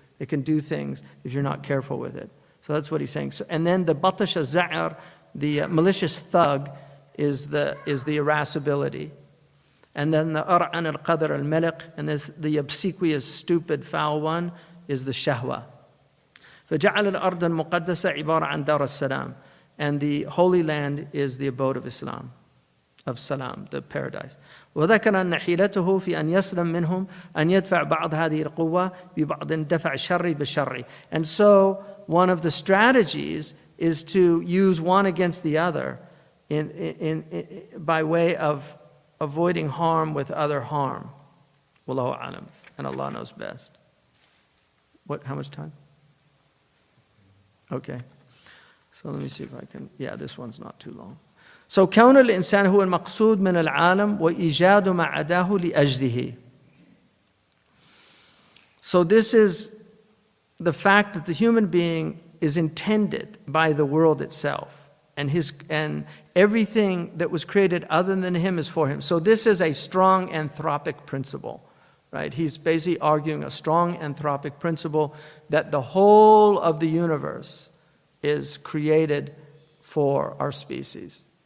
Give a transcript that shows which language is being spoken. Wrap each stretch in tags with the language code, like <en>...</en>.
<en>It can do things if you're not careful with it. So that's what he's saying. So, and then the batash az-za'ir, the malicious thug, is the irascibility, and then the ar'an al-qadr al-malik, and this the obsequious, stupid, foul one is the shahwa.</en> <ar>فجعل الأرض المقدسة عبارة عن دار السلام.</ar> <en>And the Holy Land is the abode of Islam, of Salam, the paradise.</en> <ar>وذكر أن حيلته في أن يسلم منهم أن يدفع بعض هذه القوة ببعض دفع شري بشري.</ar> <en>And so one of the strategies is to use one against the other in by way of avoiding harm with other harm.</en> <ar>والله أعلم.</ar> <en>And Allah knows best. What? How much time? Okay. So let me see if I can, this one's not too long.</en> <ar>So كون الإنسان هو المقصود من العالم وإيجاد ما عداه لأجله.</ar> <en>So this is the fact that the human being is intended by the world itself, and his and everything that was created other than him is for him. So this is a strong anthropic principle, right? He's basically arguing a strong anthropic principle that the whole of the universe is created for our species.</en>